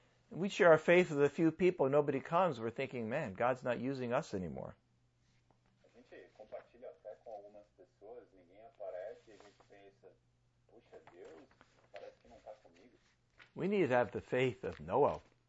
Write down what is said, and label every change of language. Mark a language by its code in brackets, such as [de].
[en] We share our faith with a few people. Nobody comes. We're thinking, man, God's not using us anymore. [pt] A gente compartilha fé com algumas pessoas. Ninguém aparece. E a gente pensa, puxa, Deus, parece que não está comigo. [en] We need to have the faith of Noah.